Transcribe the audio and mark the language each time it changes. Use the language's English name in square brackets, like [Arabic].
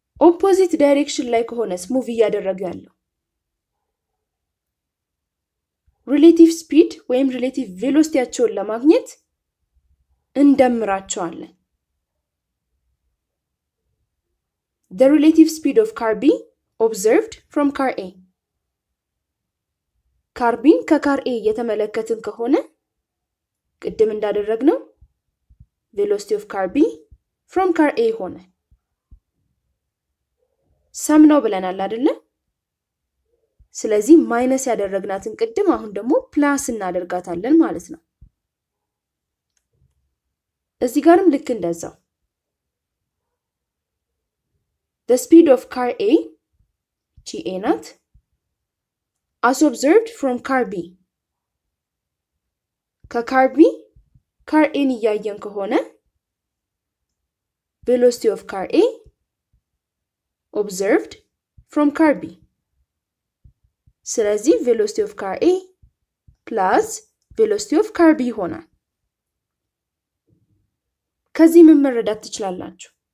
[Amharic] opposite direction ላይ ከሆነስ ሙቪ ያደረገ ያለው relative speed ወይም relative velocity አቸውን ለማግኘት እንደምራቸዋለን። [English] the relative speed of car B observed from car A. [Amharic] car B ከcar A የተመለከትን ከሆነ ቅድም እንዳደረግነው velocity of car B from car A ሆነ። sum ነው ብለናል አይደል? ስለዚህ ማይነስ ያደረግናትን ቅድም አሁን ደግሞ ፕላስ እናደርጋታለን ማለት ነው። እዚህ ጋርም ልክ እንደዛው [English] the speed of car A ga not as observed from car B. [Amharic] ከcar B car A ያየን ከሆነ [English] velocity of car A observed from car B. [Amharic] ስለዚህ [English] velocity of car A plus velocity of car B [Amharic] ሆና ከዚህ ምን መረዳት ትችላላችሁ?